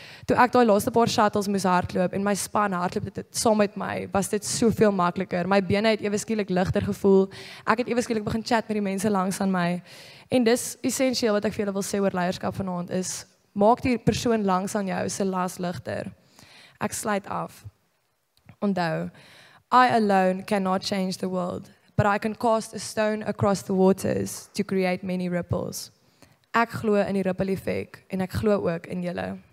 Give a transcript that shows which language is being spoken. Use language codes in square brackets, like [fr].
[af] Toe ek daai laaste paar shuttles moes hardloop en my span hardloop dit saam met my, was dit soveel makliker. My bene het eweskielik ligter gevoel. Ek het eweskielik begin chat met die mense langs aan my. En dis essensieel wat ek vir julle wil sê oor leierskap vanaand is, maak die persoon langs aan jou se las ligter. Ek sluit af. [en] Onthou, I alone cannot change the world, but I can cast a stone across the waters to create many ripples. [af] Ek glo in die ripple effect en ek glo ook in julle.